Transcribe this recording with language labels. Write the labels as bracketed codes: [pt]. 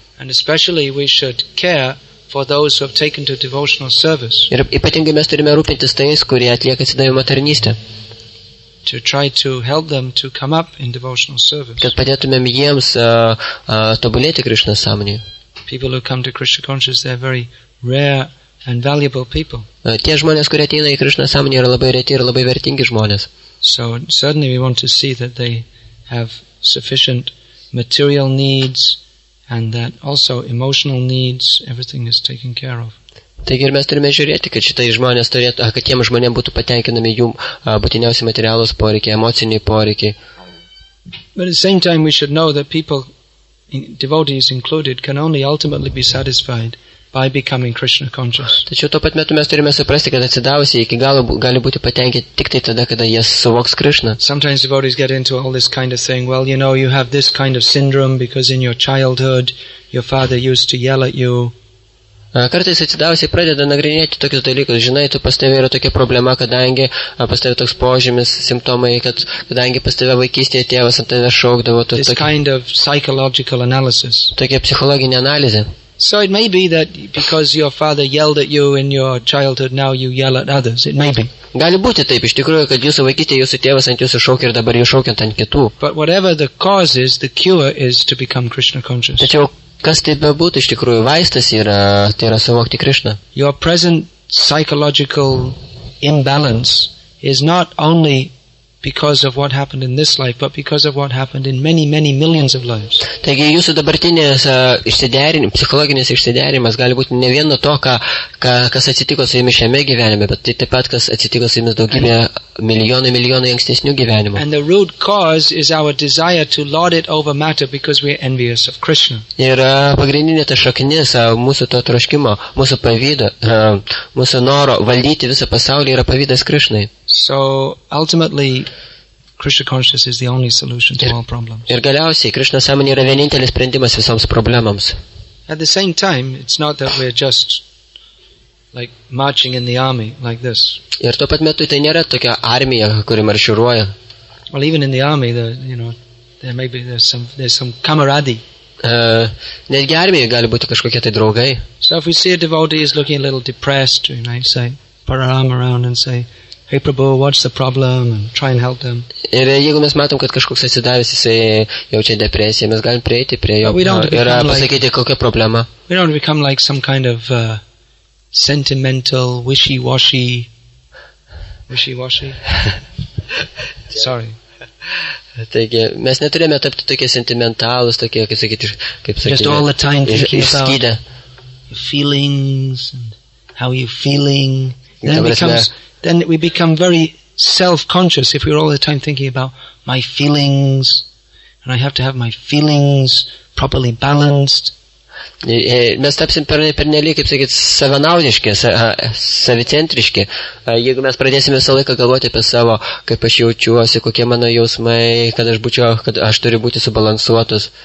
[en] And especially we should care for those who have taken to devotional service. [lt] Ir ypatingai mes turime rūpintis tais, kurie atlieka atsidavimo tarnystę. [en] To try to help them to come up in devotional service. [lt] Kad padėtumėm jiems tobulėti Krishna samanėje. [en] People who come to Krishna consciousness, they're very rare and valuable people. [lt] Tie žmonės, kurie ateina į Krishna samanę, yra labai reti ir labai vertingi žmonės. [en] So certainly we want to see that they have sufficient material needs and that also emotional needs, everything is taken care of. [lt] Taigi ir mes turime žiūrėti, kad šitai žmonės turėtų, kad tiem žmonėm būtų patenkinami jų būtiniausi materialus poreikiai, emociniai poreikiai. [en] But at the same time we should know that people, devotees included, can only ultimately be satisfied by becoming Krishna conscious. [lt] Tačiau tuo pat metu mes turime suprasti, kad atsidavusi iki galo gali būti patenkinti tik tai tada, kada jie suvoks Krishna. [en] Sometimes devotees get into all this kind of thing, well, you know, you have this kind of syndrome because in your childhood your father used to yell at you. [lt] Kartais atsidavusi pradeda nagrinėti tokius dalykus. Žinai, tu pas tave yra tokia problema, kadangi pas tave toks požymis, simptomai, kad kadangi pas tave vaikystėje tėvas ant tave šaukdavo. [en] This kind of psychological analysis. [lt] Tokia psichologinė analizė. [en] So it may be that because your father yelled at you in your childhood, now you yell at others. It may be. [lt] Gali būti taip, iš tikrųjų, kad jūsų vaikystėje jūsų tėvas ant jūsų šaukė ir dabar jūs šaukiat ant kitų. [en] But whatever the cause is, the cure is to become Krishna conscious. [lt] Tačiau kas tai bebūtų, iš tikrųjų, vaistas yra, tai yra suvokti Krishna. [en] Your present psychological imbalance is not only because of what happened in this life, but because of what happened in many, many millions of lives. [lt] Taigi, jūsų dabartinės psichologinės išsiderimas gali būti ne vien nuo to, kas atsitiko su jumis šiame gyvenime, bet tai taip pat, kas atsitiko su jumis daugybė milijonai ankstesnių gyvenimų. [en] And the root cause is our desire to lord it over matter because we are envious of Krishna. [lt] Ir pagrindinė ta šaknis mūsų to troškimo, mūsų pavydo, mūsų noro valdyti visą pasaulį yra pavydas Krishnai. [en] So ultimately Krishna consciousness is the only solution to all problems. [lt] Ir galiausiai Krishna samanė yra vienintelis sprendimas visoms problemoms. [en] At the same time it's not that we're just like marching in the army like this. [lt] Ir tuo pat metu tai nėra tokia armija, kuri marširuoja. [en] Well, even in the army, there's some camaradi. [lt] Netgi armija gali būti kažkokie tai draugai. [en] So if we see a devotee is looking a little depressed, you might say, put our arm around and say, hey Prabhu, what's the problem? And try and help them. [lt] Ir jeigu mes matom, kad kažkoks atsidavęs, jisai jaučia depresiją, mes galim prieiti prie jo ir pasakyti, kokia problema. [en] We don't become like some kind of sentimental, wishy-washy. Sorry. [lt] Taigi, mes neturėjome tapti tokie sentimentalus, tokie, kaip sakyti, [en] just all the time thinking about your feelings and how you're feeling. Then we become very self-conscious if we're all the time thinking about my feelings and I have to have my feelings properly balanced. [lt] Mes tapsim per nelį, kaip sakyt, savanaudiški, savicentriški. Jeigu mes pradėsime visą laiką galvoti apie savo, kaip aš jaučiuosi, kokie mano jausmai, kad aš turiu būti subalansuotas.